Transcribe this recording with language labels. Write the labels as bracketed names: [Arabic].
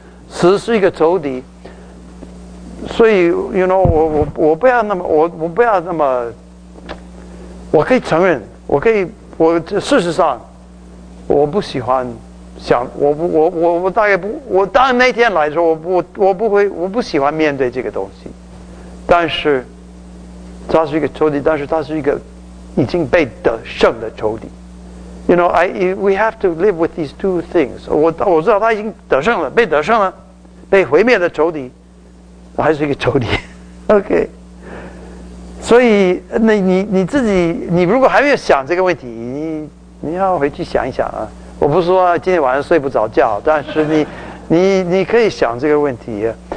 [Chinese] 死是一个仇敌。所以 [English] you know, [Chinese] 我不要那么我不要那么，我可以承认，我事实上我不喜欢想，我大概不，我当那天来说，我不会，我不喜欢面对这个东西。但是他是一个仇敌，但是他是一个已经被得胜的仇敌。 [English] you know, we have to live with these two things. [Chinese] 我知道他已经得胜了，被得胜了，被毁灭的仇敌还是一个仇敌 ， [English] OK。 [Chinese] 所以，那你自己，你如果还没有想这个问题，你要回去想一想啊。我不是说今天晚上睡不着觉，但是你可以想这个问题、啊。